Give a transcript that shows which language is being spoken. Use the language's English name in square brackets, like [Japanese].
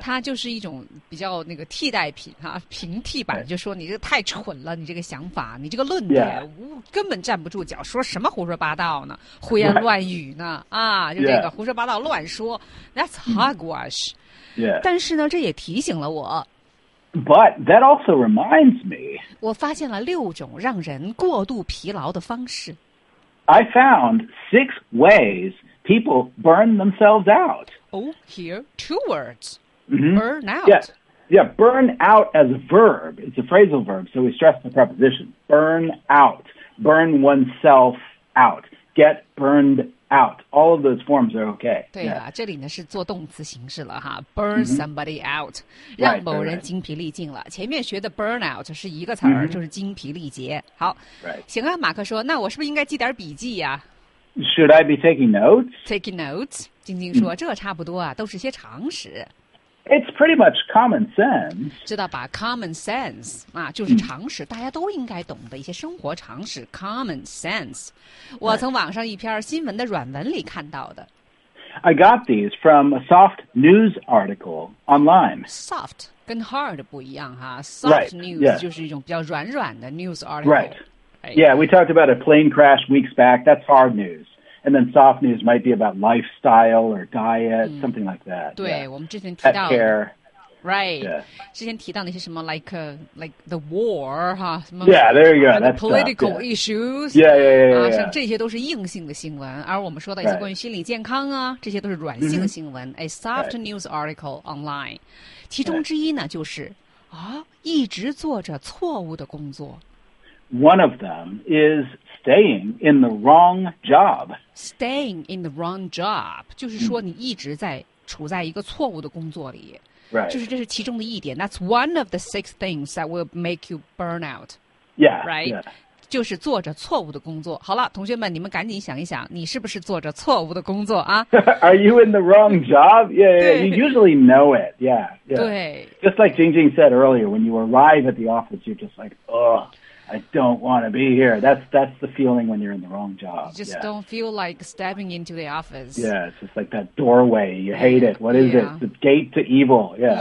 [Chinese] 它就是一种比较那个替代品啊，平替版，就说你这个太蠢了，你这个想法，你这个论点根本站不住脚，说什么胡说八道呢？胡言乱语呢？啊，就这个胡说八道乱说。 [English] That's hogwash. Yeah. [Chinese] 但是呢，这也提醒了我。 [English] But that also reminds me. [Chinese] 我发现了六种让人过度疲劳的方式。 [English] I found six ways people burn themselves out. Oh, here, two words.、Burn out. Yeah, burn out as a verb. It's a phrasal verb, so we stress the preposition. Burn out. Burn oneself out. Get burned out. All of those forms are okay. [Chinese] 对了、这里呢是做动词形式了哈。 [English] Burn somebody out. [Chinese] 让某人精疲力尽了。前面学的 burn out 是一个词儿、就是精疲力竭。好。行啊，马克说，那我是不是应该记点笔记呀、 [English] Should I be taking notes? Taking notes. [Chinese] 晶晶说、这差不多啊，都是些常识。 [English] It's pretty much common sense. [Chinese] 知道吧 ?Common sense, 啊就是常识、大家都应该懂的一些生活常识 ,common sense. 我从网上一篇新闻的软文里看到的。 [English] I got these from a soft news article online. [Chinese] Soft, 跟 hard 不一样哈。Soft news 就是一种比较软软的 news article. [English] Right. Yeah, we talked about a plane crash weeks back. That's hard news. And then soft news might be about lifestyle or diet,、something like that. [Chinese] 对、 [English] yeah. [Chinese] 我们之前提到 [English] Pet care. Right.、Yeah. [Chinese] 之前提到那些什么 [English] like the war, 哈、huh? 什么 Yeah, there you go. That's political tough, issues. Yeah. [Chinese] 像这些都是硬性的新闻。而我们说的一些关于心理健康啊、这些都是软性新闻。 [English] A soft news article online. [Chinese] 其中之一呢就是、一直做着错误的工作。 [English] One of them is staying in the wrong job. Staying in the wrong job. [Chinese] 就是说你一直在处在一个错误的工作里。 [English] Right. [Chinese] 就是这是其中的一点。 [English] That's one of the six things that will make you burn out. Yeah. Right. Yeah. [Chinese] 就是做着错误的工作。好了，同学们，你们赶紧想一想，你是不是做着错误的工作啊？ [English] Are you in the wrong job? Yeah. You usually know it. Yeah. [Chinese] 对。 [English] Just like Jingjing said earlier, when you arrive at the office, you're just like, I don't want to be here. That's the feeling when you're in the wrong job. You just don't feel like stepping into the office. Yeah, it's just like that doorway. You hate it. What is it? The gate to evil. Yeah.